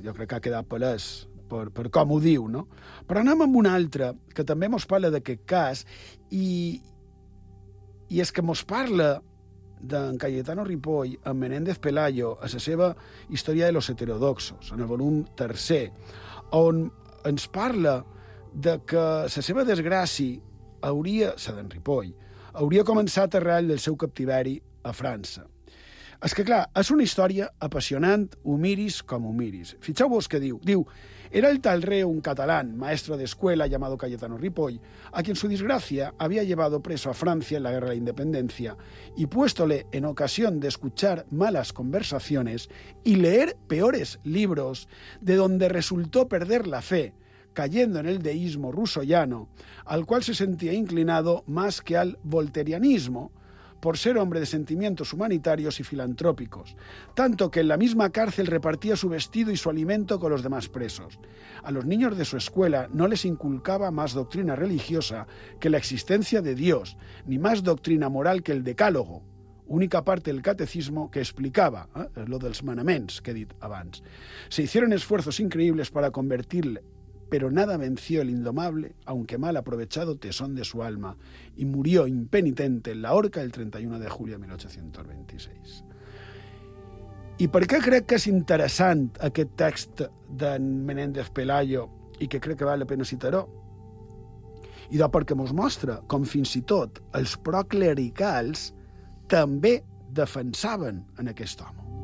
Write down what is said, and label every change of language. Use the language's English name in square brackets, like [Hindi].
[Catalan] Jo crec que ha quedat palès per com ho diu, no? Però anem amb un altre, que també mos parla d'aquest cas, i és que mos parla d'en Cayetano Ripoll amb Menéndez Pelayo a la seva Història de los heterodoxos, en el volum 3, on ens parla de que la seva desgràcia hauria, la d'en Ripoll, hauria començat arrel del seu captiveri a França. És que, clar, és una història apassionant, ho miris com ho miris. Fixeu-vos què diu. Diu, [Spanish] era el tal reo un català, maestro d'escuela, llamado Cayetano Ripoll, a quien su desgracia había llevado preso a Francia en la Guerra de la Independencia y puéstole en ocasión de escuchar malas conversaciones y leer peores libros, de donde resultó perder la fe, cayendo en el deísmo rusollano, al cual se sentía inclinado más que al volterianismo, por ser hombre de sentimientos humanitarios y filantrópicos, tanto que en la misma cárcel repartía su vestido y su alimento con los demás presos. A los niños de su escuela no les inculcaba más doctrina religiosa que la existencia de Dios, ni más doctrina moral que el decálogo, única parte del catecismo que explicaba, [Catalan] lo dels manaments que he dit abans. [Spanish] Se hicieron esfuerzos increíbles para convertirle, pero nada venció el indomable, aunque mal aprovechado tesón de su alma, y murió impenitente en la horca el 31 de julio de 1826. [Catalan] I per què crec que és interessant aquest text d'en Menéndez Pelayo i que crec que val la pena citar-ho? I de perquè mos mostra com fins i tot els proclericals també defensaven en aquest home.